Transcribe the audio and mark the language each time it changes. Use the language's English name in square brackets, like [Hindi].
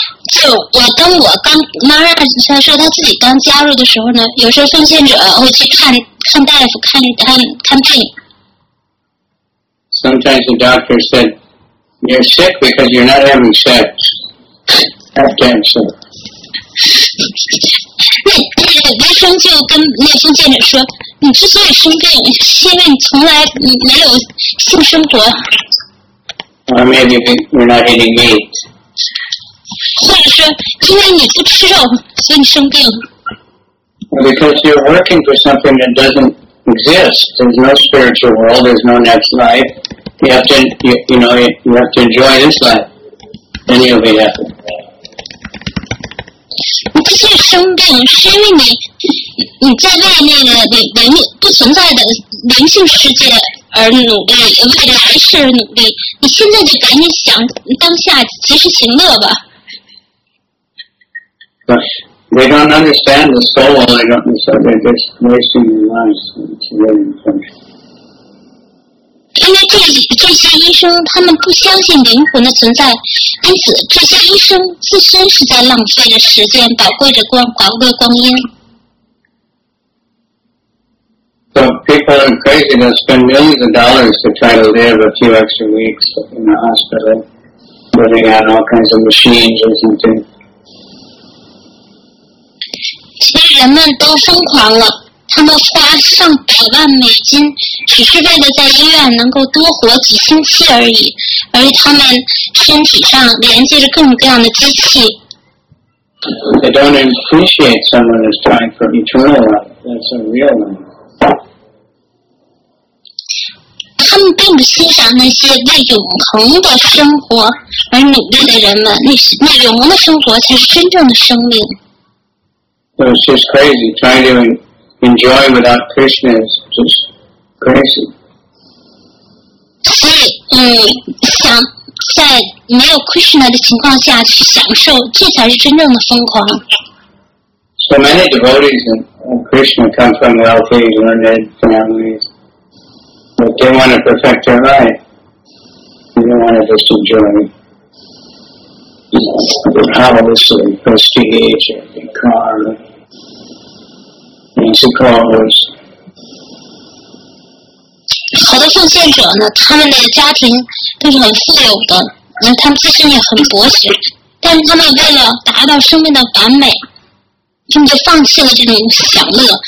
[Chinese] So, 我当我刚 Mara 他说他自己刚加入的时候呢，有时候奉献者会去看大夫，看病。 [English] Sometimes the doctor said, "You're sick because you're not having sex." That's cancer. [Chinese] 那医生就跟那奉献者说：“你之所以生病，是因为你从来没有性生活。” [English] Or maybe you're not eating meat. [Chinese] 或者是因为你不吃肉，所以你生病。 [English] Because you're working for something that doesn't exist. There's no spiritual world. There's no next life. You have to, you have to enjoy this life. Then you'll be happy. [Chinese] 你之所以生病，是因为你在为那个灵不存在的灵性世界而努力，为来世而努力。你现在就赶紧想当下，及时行乐吧。 [English] But they don't understand the soul, they don't understand, they're just wasting their lives, and it's a very important thing. Because these doctors, they don't believe in the soul's existence, hence, these doctors themselves are wasting their time, valuable time. So people are crazy, they'll spend millions of dollars to try to live a few extra weeks in the hospital, living on all kinds of machines or something. [Chinese] 其实人们都疯狂了，他们花上百万美金，只是为了在医院能够多活几星期而已，而且他们身体上连接着各种各样的机器。 [English] They don't appreciate someone who's trying for eternal life. That's a real one. [Chinese] 他们并不欣赏那些为永恒的生活而努力的人们，那永恒的生活才是真正的生命。 [English] So it's just crazy. Trying to enjoy without Krishna is just crazy. [Chinese] 所以想在没有 Krishna 的情况下去享受，这才是真正的疯狂。 [English] So many devotees in Krishna come from wealthy, learned families, but they want to perfect their life. They don't want to just enjoy, you know, the house and prestige and the car and the clothes. [Chinese] 好的奉献者呢，他们的家庭都是很富有的，那他们自身也很博学，但他们为了达到生命的完美，他们就放弃了这种享乐。